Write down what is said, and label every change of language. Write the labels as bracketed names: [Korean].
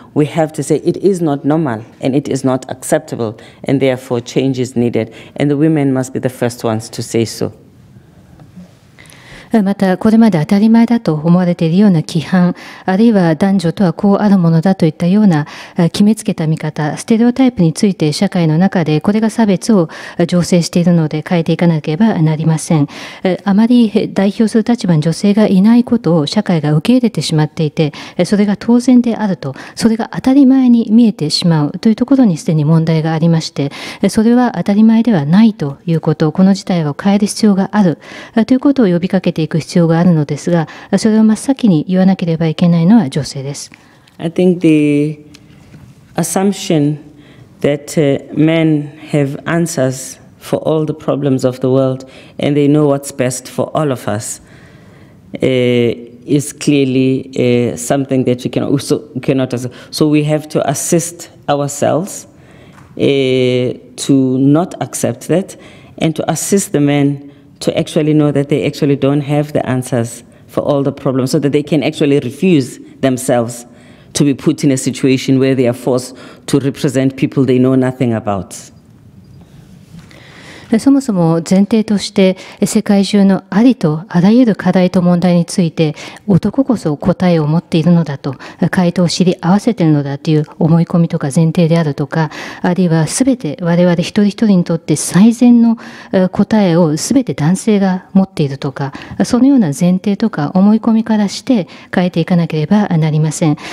[English] We have to say it is not normal and it is not acceptable, and therefore change is needed, and the women must be the first ones to say so. [Japanese] またこれまで当たり前だと思われているような規範、あるいは男女とはこうあるものだといったような決めつけた見方、ステレオタイプについて社会の中でこれが差別を醸成しているので変えていかなければなりません。あまり代表する立場に女性がいないことを社会が受け入れてしまっていて、それが当然であると、それが当たり前に見えてしまうというところにすでに問題がありまして、それは当たり前ではないということ、この事態を変える必要があるということを呼びかけてていく必要があるのですが、それを真っ先に言わなければいけないのは女性です。 [English] I think the assumption that men have answers for all the problems of the world and they know what's best for all of us is clearly something that we cannot assume. So we have to assist ourselves to not accept that and to assist the men to actually know that they actually don't have the answers for all the problems so that they can actually refuse themselves. To be put in a situation where they are forced to represent people they know nothing about. [Japanese] そもそも前提として世界中のありとあらゆる課題と問題について男こそ答えを持っているのだと回答を知り合わせているのだという思い込みとか前提であるとかあるいはすべて我々一人一人にとって最善の答えをすべて男性が持っているとかそのような前提とか思い込みからして変えていかなければなりません。